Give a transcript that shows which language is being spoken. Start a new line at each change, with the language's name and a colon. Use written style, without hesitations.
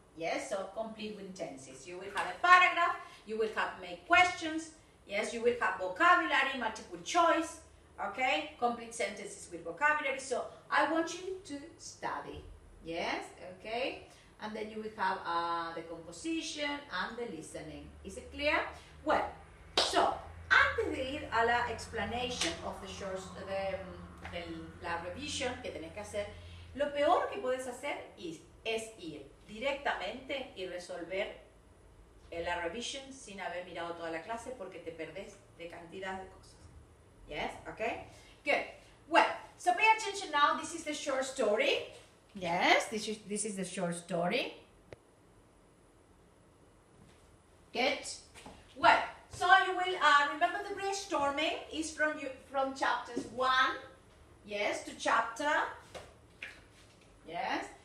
English: Yes, so complete with tenses. You will have a paragraph, you will have make questions, yes, you will have vocabulary, multiple choice. Okay, complete sentences with vocabulary. So I want you to study. Yes, okay. And then you will have the composition and the listening. Is it clear? Well, so
Spanish: antes de ir a la
English: explanation of the short,
Spanish: de la revisión que tenés que hacer, lo peor que puedes hacer es ir directamente y resolver la revisión sin haber mirado toda la clase porque te perdés de cantidad de cosas.
English: Yes, okay, good. Well, so pay attention now, this is the short story. Yes, this is the short story. Good. Well, so you will remember the brainstorming is from chapters 1, yes, to chapter, yes.